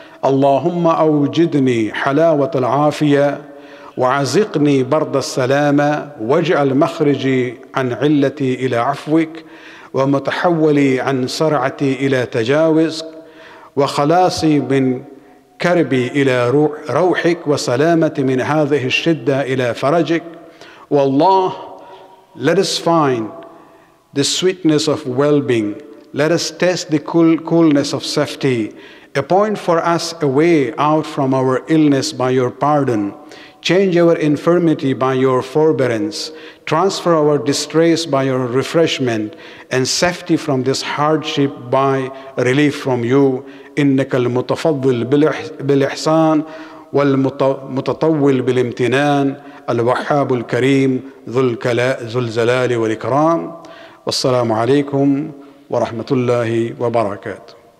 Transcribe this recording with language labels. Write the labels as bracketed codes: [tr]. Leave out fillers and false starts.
[ar] Allahumma awjidni halawat al-afiyah وعزقني برد السلامة واجعل مخرجي عن علتي إلى عفوك ومتحولي عن سرعتي إلى تجاوزك وخلاصي من كربي إلى روحك وسلامتي من هذه الشدة إلى فرجك [en] Wallah, let us find the sweetness of well-being. Let us test the coolness of safety. Appoint for us a way out from our illness by your pardon. Change our infirmity by your forbearance. Transfer our distress by your refreshment. And safety from this hardship by relief from you. [ar] إنك المتفضل بالإحسان والمتطول بالامتنان الوهاب الكريم ذو الجلال والإكرام والسلام عليكم ورحمة الله وبركاته.